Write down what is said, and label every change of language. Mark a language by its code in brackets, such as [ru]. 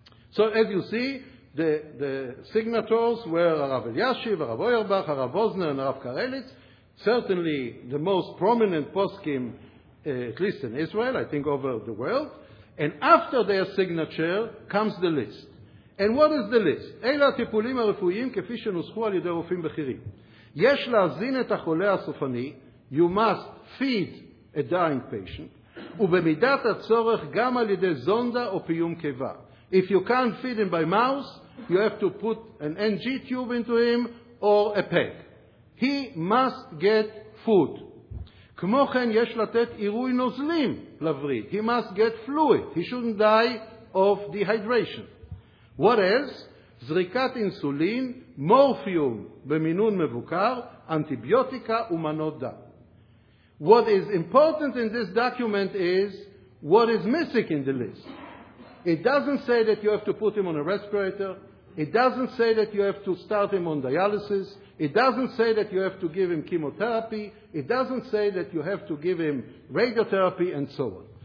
[en] So as you see, the signatories were Rav Eliashiv, Rav Auerbach, Rav Osner, and Rav Karelitz. Certainly the most prominent poskim, at least in Israel, I think over the world. And after their signature comes the list. And what is the list? [he] אלה הטיפולים הרפואיים כפי שנוסחו על ידי רופאים בכירים. יש להזין את החולה הסופני, [en] you must feed a dying patient, [he] ובמידת הצורך גם על ידי זונדה או פיום קיבה. [en] If you can't feed him by mouth, you have to put an NG tube into him or a peg. He must get food. [he] כמו כן יש לתת עירוי נוזלים לבריד. [en] He must get fluid. He shouldn't die of dehydration. What else? [he] זריקת אינסולין, מורפיום במינון מבוקר, אנטיביוטיקה ומנות דם. [en] What is important in this document is what is missing in the list. It doesn't say that you have to put him on a respirator. It doesn't say that you have to start him on dialysis. It doesn't say that you have to give him chemotherapy. It doesn't say that you have to give him radiotherapy and so on.